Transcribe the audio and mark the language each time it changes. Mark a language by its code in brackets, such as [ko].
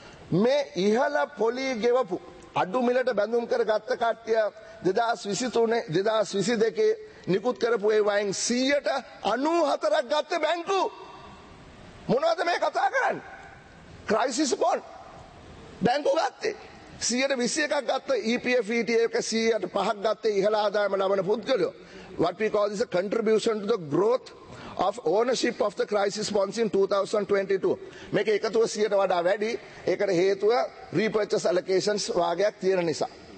[si] මේ ඉහළ පොලී ගෙවපු අඩු මිලට බැඳුම් කර ගත්ත කට්ටිය 2023-2022 නිකුත් කරපු ඒ වයින් 94%ක් ගත්තේ බැංකු. මොනවද මේ කතා කරන්නේ? ක්‍රයිසිස් බොන්ඩ් බැංකු ගත්තේ. 121ක් ගත්ත EPFETA එක 105ක් ගත්තේ ඉහළ ආදායම ලබන පුද්ගලයෝ. [en] What we call this a contribution to the growth of ownership of the crisis bonds in 2022. [si] මේක එකතුව 100ට වඩා වැඩි. ඒකට හේතුව [en] repurchase allocations [si] වාගයක් තියෙන නිසා.